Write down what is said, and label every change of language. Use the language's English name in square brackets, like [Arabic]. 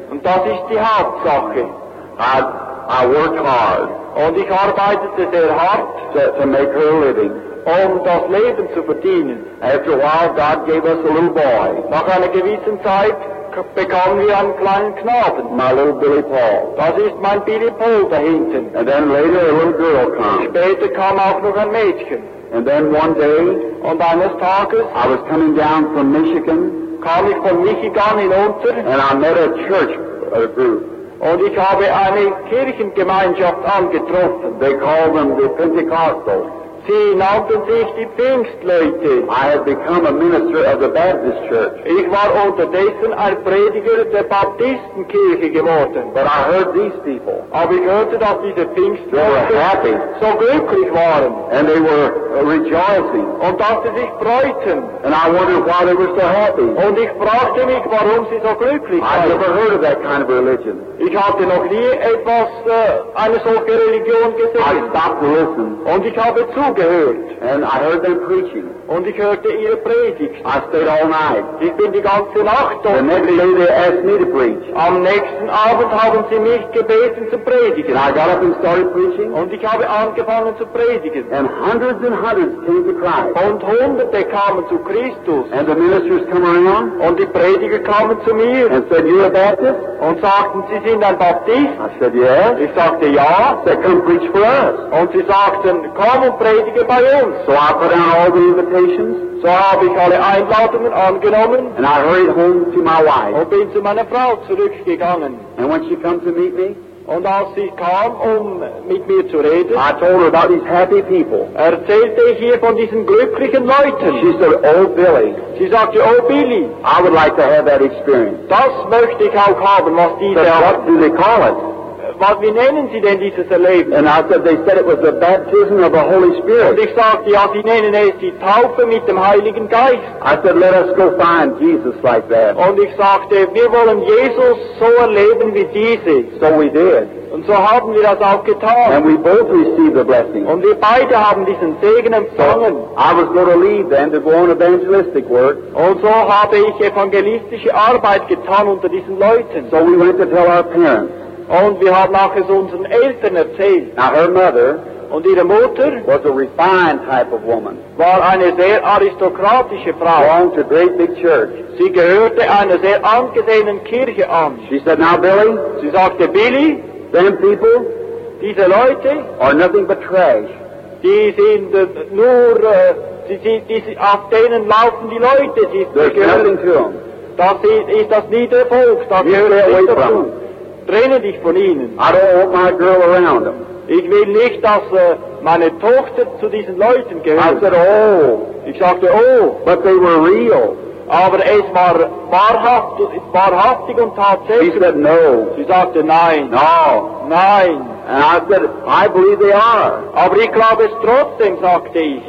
[German] Und das ist die Hauptsache. [English] I worked hard. [German] Und ich arbeitete sehr hart, [English] to make her a living. [German] Um das Leben zu verdienen. [English] After a while, God gave us a little boy. [German] Nach einer gewissen Zeit bekamen wir einen kleinen Knaben. [English] My little Billy Paul. [German] Das ist mein Billy Paul da hinten. [English] And then later a little girl came. [German] Später kam auch noch ein Mädchen. [English] And then one day, [German] und eines Tages, [English] I was coming down from Michigan, [German] kam ich von Michigan hinunter, [English] and I met a church group. [German] Und ich habe eine Kirchengemeinschaft angetroffen. [English] They called them the Pentecostals. [German] Sie nannten sich die Pfingstleute. [English] I had become a minister of the Baptist Church. [German] Ich war unterdessen ein Prediger der Baptistenkirche geworden. [English] But I heard these people. [German] Aber ich hörte, dass diese Pfingstleute [English] happy. [German] So glücklich waren. [English] And they were rejoicing. [German] Und dass sie sich freuten. [English] And I wondered why they were so happy. [German] Und ich fragte mich, warum sie so glücklich waren. [English] I never heard of that kind of religion. [German] Ich hatte noch nie etwas, eine solche Religion gesehen. [English] I stopped to listen. [German] Und ich habe zugehört. [English] And I heard them preaching. [German] Und ich hörte ihre Predigt. [English] I stayed all night. [German] Ich bin die ganze Nacht dort. [English] The next day they asked me to preach. [German] Am nächsten Abend haben sie mich gebeten zu predigen. [English] And I got up and started preaching. [German] Und ich habe angefangen zu predigen. [English] And hundreds came to Christ. [German] Und Hunderte kamen zu Christus. [English] And the ministers came around. [German] Und die Prediger kamen zu mir. [English] And said, you're a Baptist? [German] Und sagten, sie sind ein Baptist? [English] I said, yes. [German] Ich sagte, ja. [English] They come preach for us. [German] Und sie sagten, komm und predige bei uns. [English] So I put down all the invitations. [German] So habe ich alle Einladungen angenommen. [English] And I hurried home to my wife. [German] Und bin zu meiner Frau zurückgegangen. [English] And when she come to meet me? [German] Und als sie kam, um mit mir zu reden, [English] I told her about these happy people. [German] Erzählte ich ihr von diesen glücklichen Leuten. [English] She said, "Oh, Billy." [German] Sie sagte, "Oh, Billy." [English] I would like to have that experience. [German] Das möchte ich auch haben, was diese haben. [English] What do they call it? [German] Was, wie nennen sie denn dieses Erlebnis? [English] And I said, they said it was the baptism of the Holy Spirit. [German] Und ich sagte, ja, sie nennen es die Taufe mit dem Heiligen Geist. [English] I said, let us go find Jesus like that. [German] Und ich sagte, wir wollen Jesus so erleben wie diese. [English] So we did. [German] Und so haben wir das auch getan. [English] And we both received the blessing. [German] Und wir beide haben diesen Segen empfangen. [English] So I was going to leave then to go on evangelistic work. [German] Und so habe ich evangelistische Arbeit getan unter diesen Leuten. [English] So we went to tell our parents. [German] Und wir haben auch es unseren Eltern erzählt. [English] Now her mother [German] und ihre Mutter [English] was a refined type of woman. [German] War eine sehr aristokratische Frau. [English] Belonged to a great big church. [German] Sie gehörte einer sehr angesehenen Kirche an. [English] She said, now Billy, [German] sie sagte, Billy, [English] them people, [German] diese Leute, [English] are nothing but trash. [German] Die sind nur, die, auf denen laufen die Leute. Sie [English] there's [German] gehört, [English] nothing to them. [German] Das ist das Niedervolk. Das gehört nicht dazu. Trenne dich von ihnen. [English] I don't want my girl around them. [German] Ich will nicht, dass meine Tochter zu diesen Leuten gehört. [English] I said, oh. [German] Ich sagte, oh. [English] But they were real. [German] Aber es war wahrhaftig und tatsächlich. [English] He said, no. [German] Sie sagte, nein. [English] No. [German] Nein. [English] And I said, I believe they are. [German] Aber ich glaube es trotzdem, sagte ich.